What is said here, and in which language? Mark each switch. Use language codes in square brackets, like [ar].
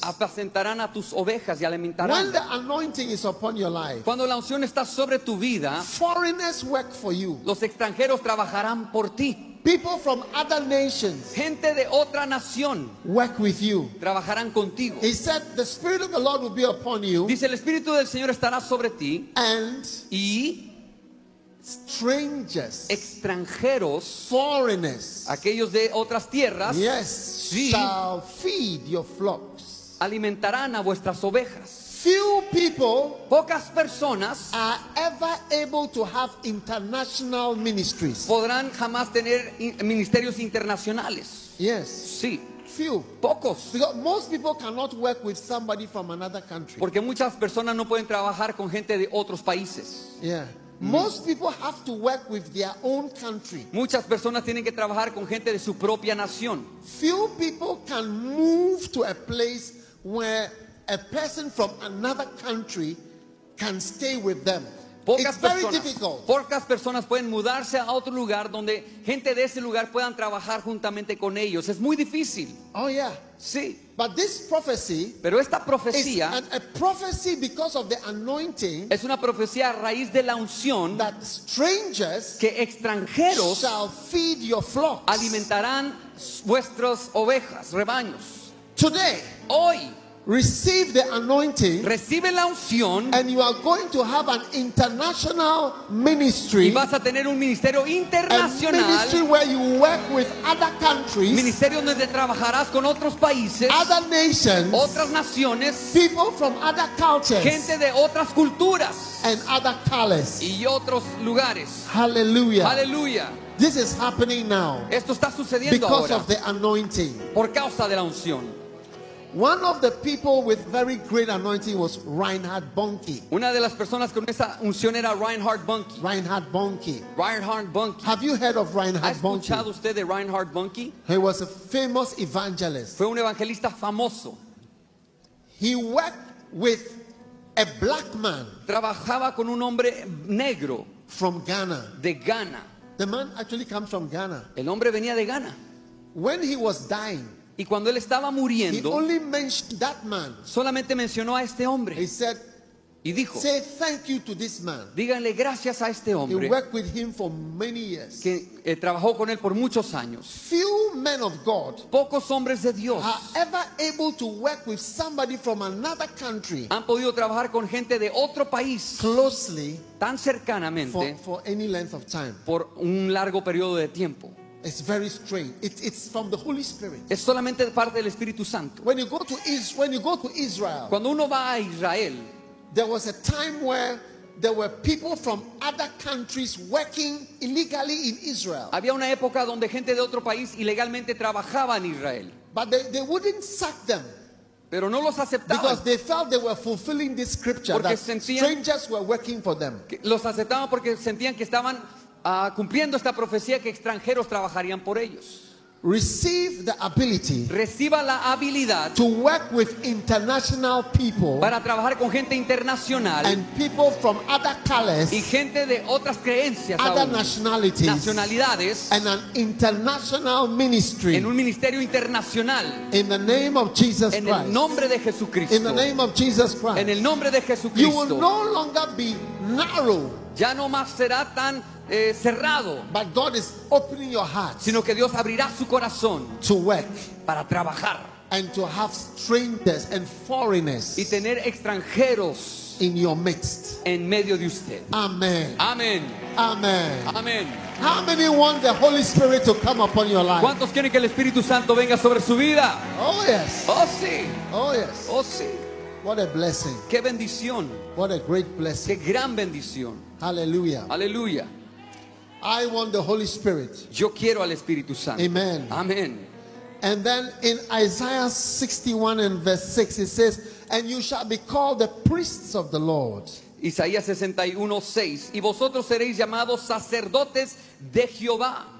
[es] Apacentarán a tus ovejas y alimentarán. [en] When the anointing is upon your life. [es] Cuando la unción está sobre tu vida. [en] Foreigners work for you. [es] Los extranjeros trabajarán por ti. [en] People from other nations, [es] gente de otra nación, [en] work with you. [es] Trabajarán contigo. [en] He said, "The Spirit of the Lord will be upon you." [es] Dice el Espíritu del Señor estará sobre ti. [en] And [es] y [en] strangers, [es] extranjeros, [en] foreigners, [es] aquellos de otras tierras, [en] yes, [es] sí, [en] shall feed your flocks. [es] Alimentarán a vuestras ovejas. [en] Few people, [es] pocas personas, [en] are ever able to have international ministries. [es] Podrán jamás tener ministerios internacionales. [en] Yes. [es] Sí. [en] Few. [es] Pocos. [en] Because most people cannot work with somebody from another country. [es] Porque muchas personas no pueden trabajar con gente de otros países. [en] Yeah. Most people have to work with their own country. [es] Muchas personas tienen que trabajar con gente de su propia nación. [en] Few people can move to a place where a person from another country can stay with them. [es] Pocas [en] it's very [es] personas, [en] difficult. [es] Pocas personas pueden mudarse a otro lugar donde gente de ese lugar puedan trabajar juntamente con ellos. Es muy difícil. [en] Oh yeah. [es] Sí. [en] But this prophecy, [es] pero esta profecía, [en] is a prophecy because of the anointing, [es] es una profecía a raíz de la unción, [en] that strangers, [es] que extranjeros, [en] shall feed your flocks, [es] alimentarán vuestras ovejas, rebaños. [en] Today, [es] hoy, [en] receive the anointing. [es] Recibe la unción. [en] And you are going to have an international ministry. [es] Y vas a tener un ministerio internacional. [en] A ministry where you work with other countries. [es] Ministerio donde trabajarás con otros países. [en] Other nations. [es] Otras naciones. [en] People from other cultures. [es] Gente de otras culturas. [en] And other colors. [es] Y otros lugares. Hallelujah. Hallelujah. [en] This is happening now. [es] Esto está sucediendo [en] because [es] ahora. [en] Of the anointing. [es] Por causa de la unción. [en] One of the people with very great anointing was Reinhard Bonnke. [es] Una de las personas con esa unción era Reinhard Bonnke. [en] Reinhard Bonnke. [es] Reinhard Bonnke. [en] Have you heard of Reinhard Bonnke? [es] ¿Ha escuchado usted de Reinhard Bonnke? [en] He was a famous evangelist. [es] Fue un evangelista famoso. [en] He worked with a black man. [es] Trabajaba con un hombre negro. [en] From Ghana. [es] De Ghana. [en] The man actually comes from Ghana. [es] El hombre venía de Ghana. [en] When he was dying, [es] Y cuando él estaba muriendo, [en] he only mentioned that man. [es] Solamente mencionó a este hombre. [en] He said, [es] y dijo, [en] say thank you to this man. [es] Díganle gracias a este hombre. [en] He worked with him for many years. [es] Que trabajó con él por muchos años. [en] Few men of God, [es] pocos hombres de Dios, [en] are ever able to work with somebody from another country. [es] Han podido trabajar con gente de otro país. [en] Closely, [es] tan cercanamente, [en] for any length of time. [es] Por un largo periodo de tiempo. [en] It's very strange. It's from the Holy Spirit. [es] Es solamente de parte del Espíritu Santo. [en] When you go to Israel, [es] cuando uno va a Israel, [en] there was a time where there were people from other countries working illegally in Israel. [es] Había una época donde gente de otro país ilegalmente trabajaba en Israel. [en] But they wouldn't sack them. [es] Pero no los aceptaban. [en] Because they felt they were fulfilling this scripture, [es] porque [en] that strangers were working for them. [es] Los aceptaban porque sentían que estaban cumpliendo esta profecía que extranjeros trabajarían por ellos. [en] Receive the ability. [es] Reciba la habilidad [en] to work with international people. [es] Para trabajar con gente internacional. [en] And people from other colors. [es] Y gente de otras creencias. [en] Other nationalities. [es] Nacionalidades. [en] And an international ministry. [es] En un ministerio internacional. [en] In the name of Jesus Christ. [es] En el nombre de Jesucristo. [en] In the name of Jesus Christ. [es] En el nombre de Jesucristo. [en] You will no longer be narrow. [es] Ya no más será tan cerrado, [en] but God is opening your heart, [es] sino que Dios abrirá su corazón [en] to work, [es] para trabajar, [en] and to have strangers and foreigners, [es] y tener extranjeros [en] in your midst, [es] en medio de usted. Amen. Amen. Amen. Amen. [en] How many want the Holy Spirit to come upon your life? [es] ¿Cuántos quieren que el Espíritu Santo venga sobre su vida? [en] Oh yes. [es] Oh sí. [en] Oh yes. [es] Oh sí. [en] What a blessing. [es] Qué bendición. [en] What a great blessing. [es] Qué gran bendición. Hallelujah. Hallelujah. [en] I want the Holy Spirit. [es] Yo quiero al Espíritu Santo. Amen. Amen. [en] And then in Isaiah 61 and verse 6 it says, "And you shall be called the priests of the Lord." [es] Isaías 61:6, y vosotros seréis llamados sacerdotes de Jehová.